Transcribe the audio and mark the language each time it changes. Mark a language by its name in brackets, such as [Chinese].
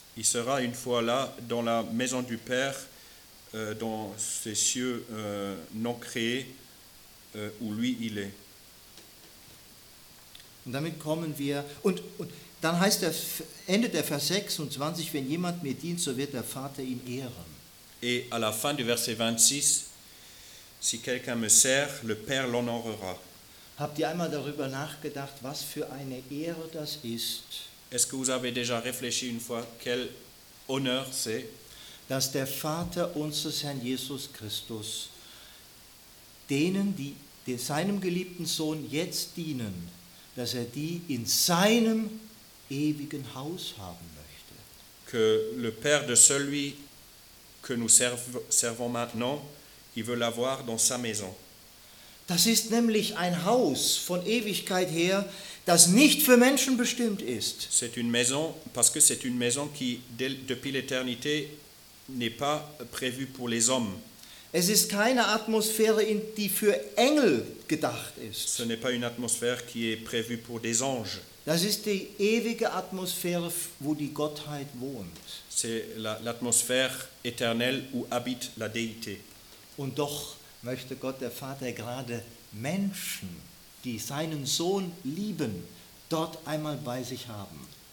[French] Il sera une fois là dans la maison du Père, dans ces cieux non créés, où lui il est. [German] Und damit kommen wir, und dann heißt der Ende der Vers 26, wenn jemand mir dient, so wird der Vater ihn ehren. [French] Et à la fin du verset 26, si quelqu'un me sert, le Père l'honorera. [German] Habt ihr einmal darüber nachgedacht, was für eine Ehre das ist? [French] Est-ce que vous avez déjà réfléchi une fois, quel honneur c'est? [German] Dass der Vater unseres Herrn Jesus Christus denen, die seinem geliebten Sohn jetzt dienen, dass er die in seinem ewigen Haus haben möchte. [French] Que le Père de celui que nous servons maintenant, il veut l'avoir dans sa maison. [German] Das ist nämlich ein Haus von Ewigkeit her, das nicht für Menschen bestimmt ist. [French] C'est une maison, parce que c'est une maison qui, depuis l'éternité, n'est pas prévue pour les hommes. [German] Es ist keine Atmosphäre, die für Engel gedacht ist. [French] Ce n'est pas une atmosphère qui est prévue pour des anges. [German] Das ist die ewige Atmosphäre, wo die Gottheit wohnt. [French] C'est l'atmosphère éternelle où habite la déité. [German] Und doch möchte Gott der Vater gerade Menschen, die seinen Sohn lieben, dort einmal bei sich haben.